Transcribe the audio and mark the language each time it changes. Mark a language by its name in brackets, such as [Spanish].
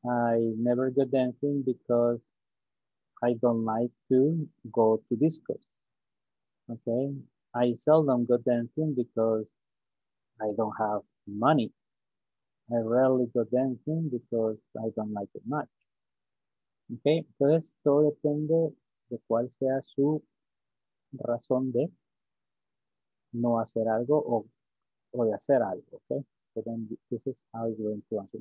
[English] I never go dancing because I don't like to go to discos. Okay. I seldom go dancing because I don't have money. I rarely go dancing because I don't like it much. [Spanish] Ok, entonces todo depende de cuál sea su razón de no hacer algo o de hacer algo. [English] Ok, so then this is how you're going to answer.